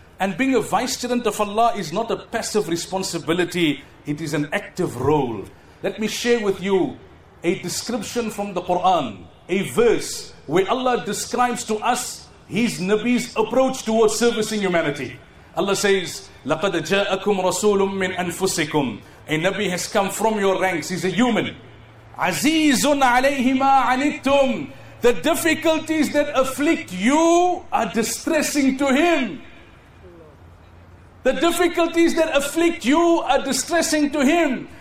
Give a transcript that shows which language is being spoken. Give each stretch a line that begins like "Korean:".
English: And being a vicegerent of Allah is not a passive responsibility. It is an active role. Let me share with you a description from the Quran. A verse where Allah describes to us His Nabi's approach towards servicing humanity. Allah says,
Arabic: لَقَدْ جَاءَكُمْ رَسُولٌ مِّنْ أَنفُسِكُمْ.
English: A Nabi has come from your ranks. He's a human.
Arabic: عَزِيزٌ عَلَيْهِمَا عَنِتُمْ.
English: The difficulties that afflict you are distressing to him. The difficulties that afflict you are distressing to him.